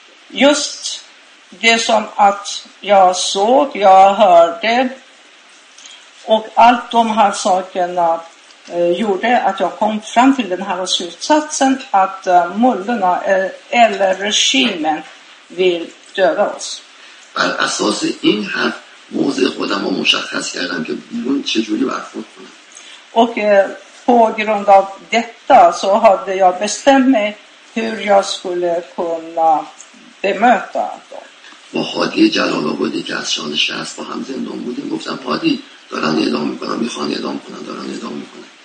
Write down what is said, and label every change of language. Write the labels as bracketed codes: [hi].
[sv] just det som att jag såg, jag hörde Och allt de här sakerna gjorde att jag kom fram till den här slutsatsen att mullorna eller regimen vill döda oss. [fa] بر اساس این حرف موضع خودم رو مشخص کردم که بیرون چه جوری برخورد کنم. [sv] Och på grund av detta så hade jag bestämt mig hur jag skulle kunna bemöta dem. [fa] با هادی جلال آبادی که از شانشه هست با هم زندان بودیم گفتم هادی دارن اعدام میکنن میخوان اعدام کنن دارن اعدام میکنن.